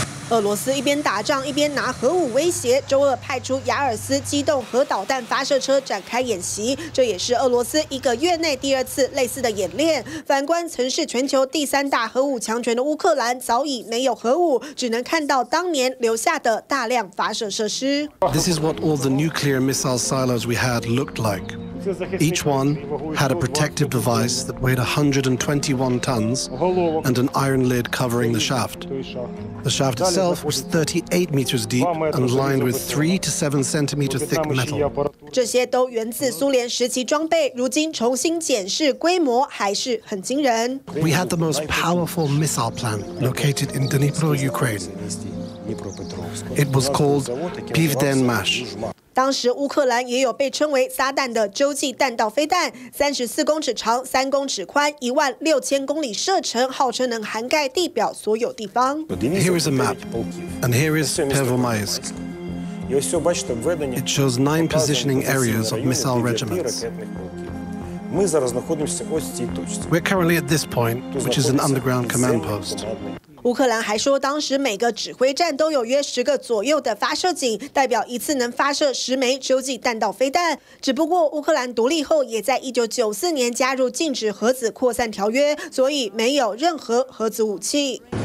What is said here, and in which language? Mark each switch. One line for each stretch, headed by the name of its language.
Chinese: 俄罗斯一边打仗一边拿核武威胁，周二派出亚尔斯机动核导弹发射车展开演习，这也是俄罗斯一个月内第二次类似的演练。反观曾是全球第三大核武强权的乌克兰，早已没有核武，只能看到当年留下的大量发射设施。
English: This is what all the nuclear missile silos we had looked like. Each one had a protective device that weighed 121 tons and an iron lid covering the shaft. The shaft itself was 38 meters deep and lined with 3 to 7 centimeter thick metal.
Chinese: 这些都源自苏联时期装备，如今重新检视，规模还是很惊人。
English: We had the most powerful missile plant located in Dnipro, Ukraine. It was called Pivdenmash.
Chinese: 当时乌克兰也有被称为撒旦的洲际弹道飞弹，34公尺长、3公尺宽、16000公里射程，号称能涵盖地表所有地方。
English: Here is a map, and here is Pervomaisk. It shows 9 positioning areas of missile regiments. We're currently at this point, which is an underground command post.
Chinese: 乌克兰还说，当时每个指挥站都有约10个左右的发射井，代表一次能发射10枚洲际弹道飞弹。只不过乌克兰独立后，也在1994年加入禁止核子扩散条约，所以没有任何核子武器。